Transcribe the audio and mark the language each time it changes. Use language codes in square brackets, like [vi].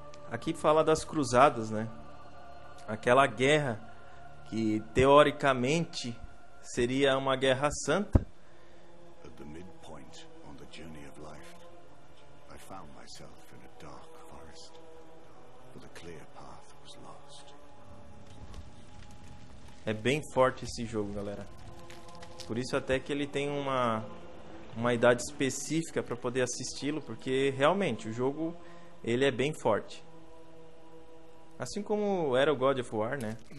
[pt] Aqui fala das cruzadas, né? Aquela guerra que teoricamente seria uma guerra santa. [en] At the midpoint on the journey of life, I found myself in a dark forest, with a clear path was lost. [pt] É bem forte esse jogo, galera. Por isso até que ele tem uma idade específica para poder assisti-lo, porque realmente o jogo ele é bem forte. Assim como era o God of War, né?